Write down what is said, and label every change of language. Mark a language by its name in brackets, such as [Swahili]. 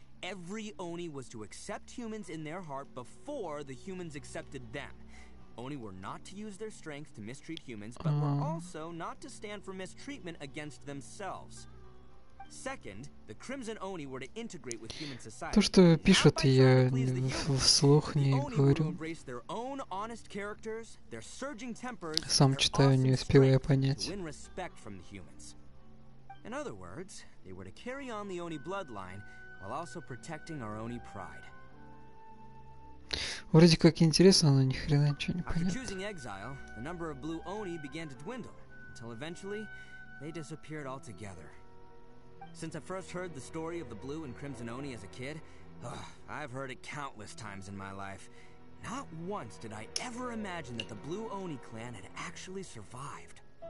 [English] Every Oni was to accept humans in their heart before the humans accepted them. Oni were not to use their strength to mistreat humans, but were also not to stand for mistreatment against themselves. Second, the Crimson Oni were to integrate with human society. [Russian] То, что пишут, я вслух не говорю. [English] Their own honest characters, their surging tempers, [Russian] сам читаю, не успеваю понять. [English] To win respect from the humans. In other words, they were to carry on the Oni bloodline while also protecting our Oni pride. [Russian] Вроде как интересно, но ни хрена ничего не понятно. [English] After choosing exile, the number of Blue Oni began to dwindle, until eventually they disappeared altogether. Since I first heard the story of the Blue and Crimson Oni as a kid, I've heard it countless times in my life. Not once did I ever imagine that the Blue Oni clan had actually survived.